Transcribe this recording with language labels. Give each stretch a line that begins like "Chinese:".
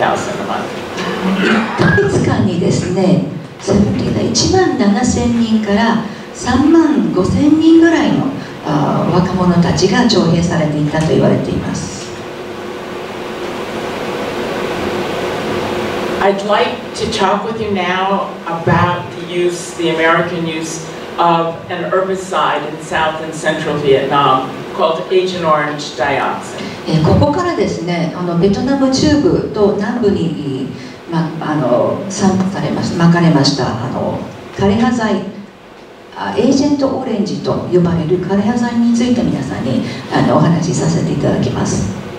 Japanese: 1ヶ月間にですね、17,000人から35,000人ぐらいの若者たちが徴兵されていたと言われています。
English: I'd like to talk with you now about the use, the American use of an herbicide in South and Central Vietnam called Agent Orange Dioxin.
Japanese: ここからですね、ベトナム中部と南部に散布されました、まかれました枯葉剤、エージェントオレンジと呼ばれる枯葉剤について皆さんにお話しさせていただきます。